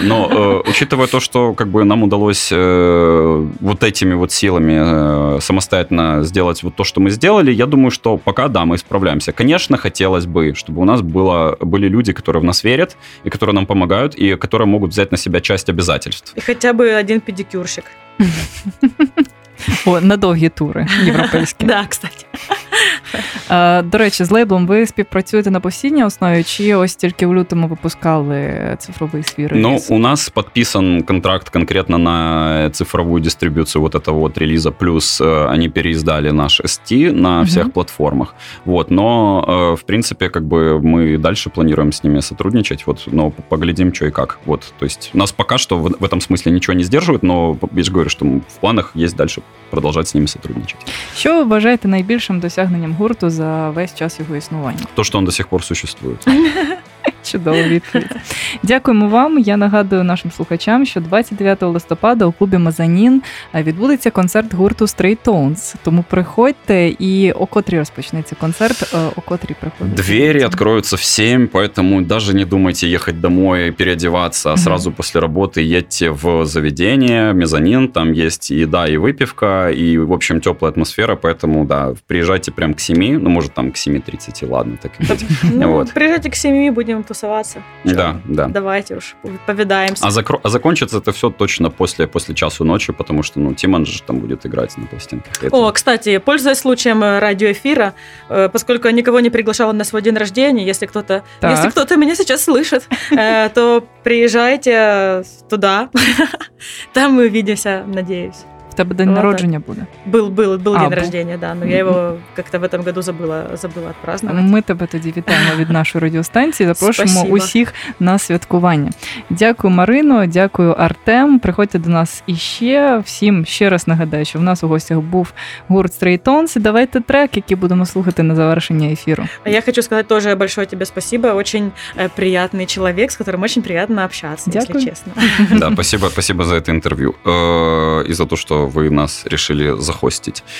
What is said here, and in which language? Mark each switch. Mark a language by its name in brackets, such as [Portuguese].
[Russian] Но учитывая то, что как бы нам удалось вот этими вот силами самостоятельно сделать вот то, что мы сделали, я думаю, что пока, да, мы справляемся. Конечно, хотелось бы, чтобы у нас было, были люди, которые в нас верят, и которые нам помогают, и которые могут взять на себя часть обязательств. И хотя бы один педикюрщик. [Ukrainian] О, на довгі тури європейські. [Russian] Да, кстати. [Ukrainian] До речі, з лейблом ви співпрацюєте на постійній основі, чи ось тільки в лютому випускали цифровий свій реліз? Ну, у нас підписан контракт конкретно на цифрову дистриб'юцію [Russian] вот этого вот [Ukrainian] реліза, плюс вони переїздали наш ST на всіх uh-huh. платформах. Вот, но, в принципі, [Russian] как бы [Ukrainian] ми далі плануємо з ними [Russian] сотрудничать, [Ukrainian] вот, но поглядим, що і як. Вот, то есть, нас поки що [Russian] в этом смысле [Ukrainian] нічого не здержує, но я ж говорю, що в планах є далі [Russian] продолжать с ними сотрудничать. Что вы [Ukrainian] вважаете [Russian] наибольшим достижением гурту за весь час его существования? То, что он до сих пор существует. [Ukrainian] Чудово відповідь. Дякуємо вам. Я нагадую нашим слухачам, що 29 листопада у клубі «Мезанін» відбудеться концерт гурту «Stray Tones». Тому приходьте, і о котрій розпочнеться концерт, о котрій приходите. Двері відкриються в 7, [Russian] поэтому даже не думайте [Ukrainian] їхати [Russian] домой, переодеваться, а сразу [Ukrainian] після роботи їдьте в [Russian] заведення «Мезанін». [Ukrainian] Там є їда, і випівка, і, [Russian] в общем, тепла атмосфера, поэтому, да, [Ukrainian] приїжджайте прямо [Russian] к 7, [Ukrainian] ну, може, там, к 7.30, ладно, так і будь. Вот. Приїжджайте к 7, будемо [Russian] тусоваться. Да, да. Давайте уж повидаемся. А закончится это все точно после часу ночи, потому что, ну, Тиман же там будет играть на пластинках. О, кстати, пользуясь случаем радиоэфира, поскольку я никого не приглашала на свой день рождения, если кто-то меня сейчас слышит, то приезжайте туда, там мы увидимся, надеюсь. [Ukrainian] У тебе день народження буде? Був [Russian] день рождения, да, но я его как-то в этом году забыла отпраздновать. [Ukrainian] Ми тебе тоді вітаємо від нашої радіостанції, запрошуємо усіх на святкування. Дякую, Марино, дякую, Артем, приходьте до нас іще. Всім ще раз нагадаю, що в нас у гостях був гурт Stray Tones, і давайте трек, який будемо слухати на завершення ефіру. Я хочу сказати теж [Russian] большое тебе спасибо, очень приятный человек, с которым очень приятно общаться, [Ukrainian] дякую. [Russian] Если честно. Да, спасибо за это интервью и за то, что вы нас решили захостить.